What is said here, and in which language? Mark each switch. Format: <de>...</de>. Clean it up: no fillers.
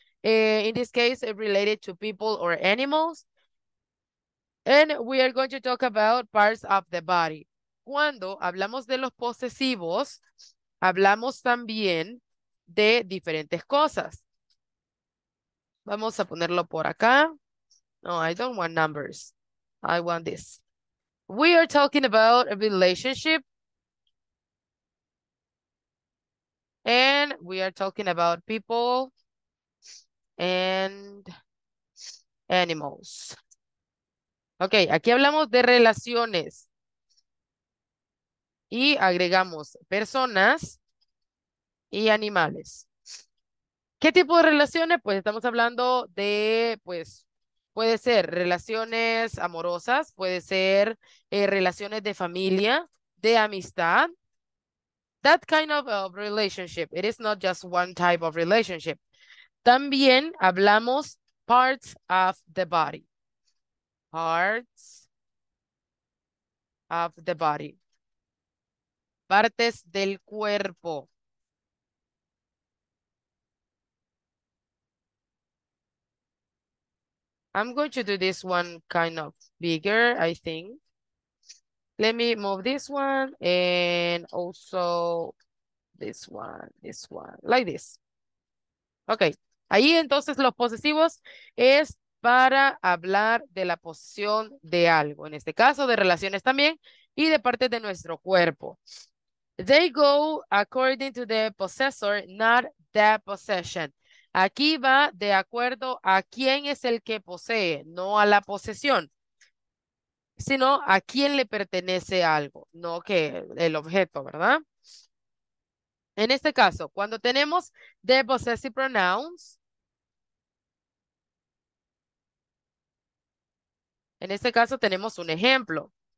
<en>In this case, related to people or animals. And we are going to talk about parts of the body.</en> <es>Cuando hablamos de los posesivos, hablamos también de diferentes cosas. Vamos a ponerlo por acá.</es> <en>No, I don't want numbers. I want this. We are talking about a relationship. And we are talking about people and animals.</en> <es>Ok, aquí hablamos de relaciones y agregamos personas y animales. ¿Qué tipo de relaciones? Pues estamos hablando de, pues, puede ser relaciones amorosas, puede ser relaciones de familia, de amistad.</es> <en>That kind of relationship. It is not just one type of relationship.</en> <es>También hablamos</es> <en>parts of the body. Parts of the body.</en> <es>Partes del cuerpo.</es> <en>I'm going to do this one kind of bigger, I think. Let me move this one and also this one, like this. Okay.</en> <es>Ahí entonces los posesivos es para hablar de la posesión de algo. En este caso, de relaciones también y de parte de nuestro cuerpo.</es> <en>They go according to the possessor, not the possession.</en> <es>Aquí va de acuerdo a quién es el que posee, no a la posesión, sino a quién le pertenece algo, no que el objeto, ¿verdad? En este caso, cuando tenemos the possessive pronouns, en este caso tenemos un ejemplo.</es>